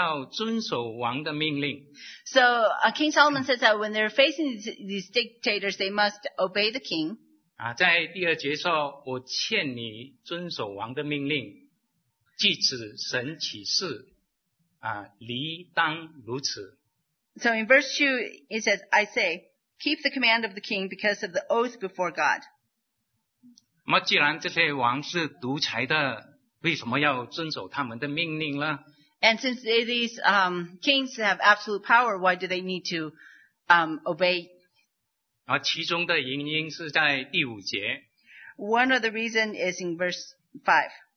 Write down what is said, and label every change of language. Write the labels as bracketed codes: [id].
[zh] 所以所罗门王说,面对这些独裁的君王的时候,他们必须要遵守王的命令。 [en] So, King Solomon says that when they're facing these dictators, they must obey the king. [zh] 在第二节说,我劝你遵守王的命令,即此神起誓,理当如此。 [en] So in verse 2, it says, I say, keep the command of the king because of the oath before God. [zh] 那么既然这些王是独裁的,为什么要遵守他们的命令呢? [en] And since these kings have absolute power, why do they need to obey? [zh] 其中的原因是在第五节。 [en] One of the reasons is in verse 5.